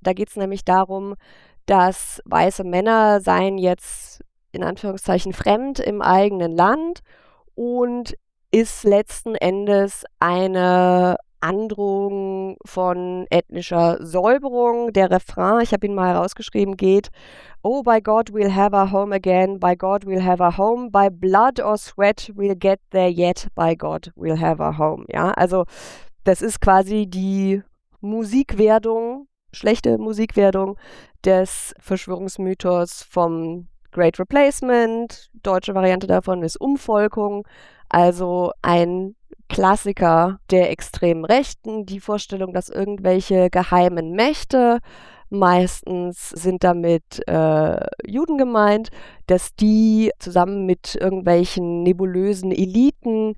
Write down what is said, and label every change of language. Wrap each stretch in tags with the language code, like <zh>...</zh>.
<de>Da geht es nämlich darum, dass weiße Männer seien jetzt in Anführungszeichen fremd im eigenen Land und ist letzten Endes eine Androhung von ethnischer Säuberung. Der Refrain, ich habe ihn mal herausgeschrieben, geht:</de> <en>Oh, by God, we'll have our home again. By God, we'll have our home. By blood or sweat, we'll get there yet. By God, we'll have our home.</en> <de>Ja, also das ist quasi die Musikwerdung, schlechte Musikwerdung des Verschwörungsmythos vom Great Replacement. Deutsche Variante davon ist Umvolkung. Also ein Klassiker der extremen Rechten, die Vorstellung, dass irgendwelche geheimen Mächte, meistens sind damit Juden gemeint, dass die zusammen mit irgendwelchen nebulösen Eliten,</de>